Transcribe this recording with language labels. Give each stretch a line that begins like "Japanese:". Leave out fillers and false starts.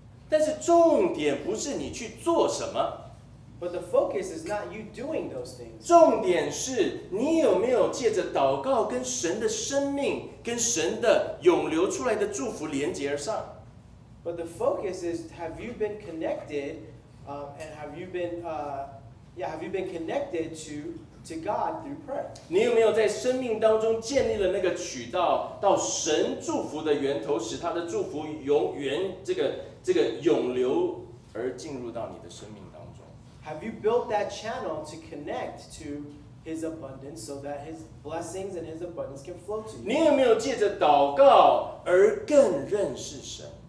Chinese: 但是重点不是你去做什么。
English: But the focus is not you doing those things.
Chinese: 重点是你有没有借着祷告跟神的生命跟神的涌流出来的祝福连接而上。
English: But the focus is have you been connected and have you been connected to God through prayer?
Chinese: 你有没有在生命当中建立了那个渠道到神祝福的源头，使他的祝福永远这个涌流而进入到你的生命当中？
English: Have you built that channel to connect to His abundance so that His blessings and His abundance can flow to you?
Chinese: 你有没有借着祷告而更认识神？